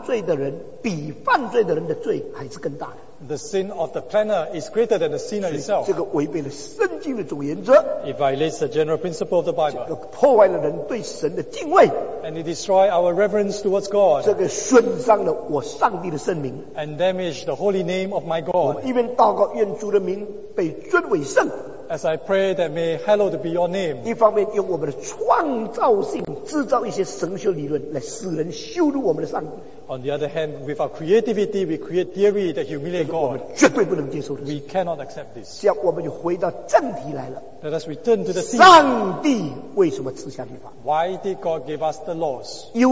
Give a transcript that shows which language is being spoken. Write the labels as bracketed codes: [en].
[zh] 犯罪的计划者是犯罪的人比犯罪的人的罪还是更大的。 [en] The sin of the planner is greater than the sinner itself. [zh] 这个违背了圣经的总原则, [en] it violates the general principle of the Bible. [zh] 这个破坏了人对神的敬畏, [en] and it destroys our reverence towards God. [zh] 这个损伤了我上帝的圣名, [en] and damaged the holy name of my God. [zh] 我一边祷告, 愿主的名被尊为圣, [en] as I pray that may hallowed be your name. [zh] 一方面用我们的创造性制造一些神学理论来使人羞辱我们的上帝。 [en] On the other hand, with our creativity, we create theory that humiliate God. We cannot accept this. Let us return to the theme. Why did God give us the laws?